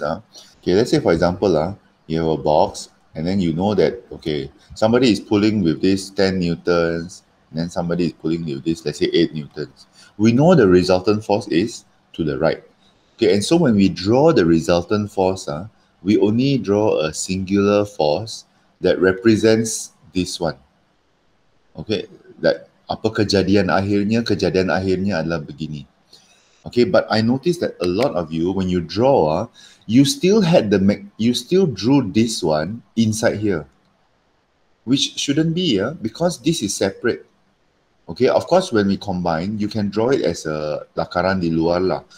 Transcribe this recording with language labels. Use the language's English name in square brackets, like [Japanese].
[English] Okay, let's say for example, you have a box, and then you know that, okay, somebody is pulling with this 10 newtons, and then somebody is pulling with this, let's say 8 newtons. We know the resultant force is to the right. Okay, and so when we draw the resultant force, we only draw a singular force that represents this one. [Malay] Okay, that apa kejadian akhirnya adalah begini. [English] Okay, but I noticed that a lot of you, when you draw, you still had the you still drew this one inside here, which shouldn't be, because this is separate. Okay, of course, when we combine, you can draw it as a [Malay] lakaran di luar lah.